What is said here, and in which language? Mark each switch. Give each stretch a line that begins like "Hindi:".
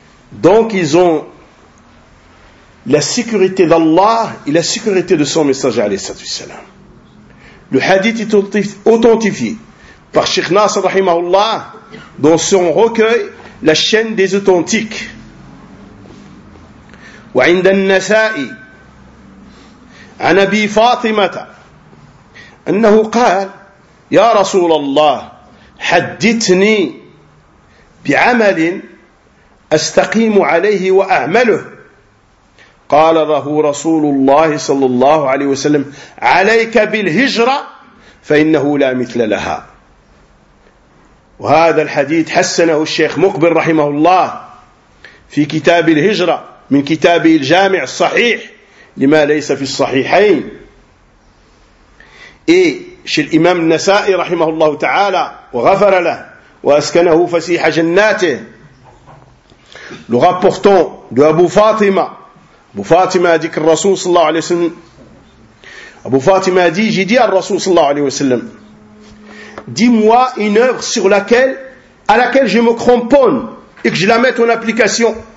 French: Donc ils ont la sécurité d'Allah et la sécurité de son messager, alayhi salatu wassalam. Le hadith est authentifié par Sheikh Nasr, rahimahullah, dans son recueil, La chaîne des authentiques.
Arabic: وعند النسائي عن أبي فاطمة أنه قال يا رسول الله حدثني بعمل أستقيم عليه وأعمله. قال له رسول الله صلى الله عليه وسلم عليك بالهجرة فإنه لا مثل لها. وهذا الحديث حسنه الشيخ مقبل رحمه الله في كتاب الهجرة من كتاب الجامع الصحيح لما ليس في الصحيحين. إيه الإمام النسائي رحمه الله تعالى وغفر له وأسكنه فسيح جناته.
French: Le rapportant de Abu Fatima, Abu Fatima a dit que le Rasoul sallallahu alayhi wa sallam, Abu Fatima a dit, j'ai dit à le Rasoul sallallahu alayhi wa sallam, dis-moi une œuvre sur laquelle, à laquelle je me cramponne et que je la mette en application.